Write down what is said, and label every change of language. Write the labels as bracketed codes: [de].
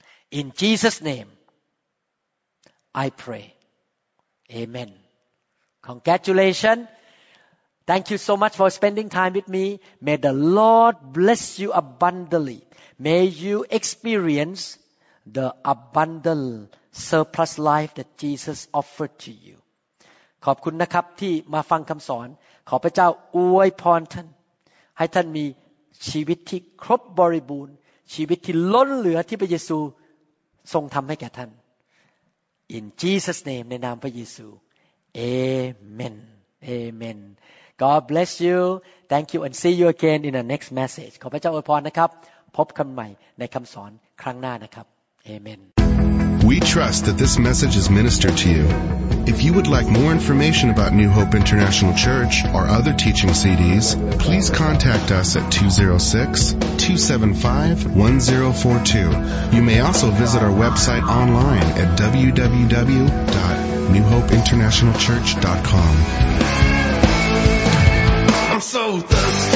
[en] In Jesus' name, I pray. Amen. Congratulations. Thank you so much for spending time with me. May the Lord bless you abundantly. May you experienceThe abundant surplus life that Jesus offered to you. [th] ขอบคุณนะครับที่มาฟังคำสอนขอพระเจ้าอวยพรท่านให้ท่านมีชีวิตที่ครบบริบูรณ์ชีวิตที่ล้นเหลือที่พระเยซูทรงทำให้แก่ท่าน [en] In Jesus name [th] ในนามพระเยซู [en] Amen Amen God bless you Thank you and see you again in the next message [th] ขอพระเจ้าอวยพรนะครับพบกันใหม่ในคำสอนครั้งหน้านะครับAmen. [en] We trust that this message is ministered to you. If you would like more information about New Hope International Church or other teaching CDs, please contact us at 206-275-1042. You may also visit our website online at www.newhopeinternationalchurch.com. I'm so thirsty.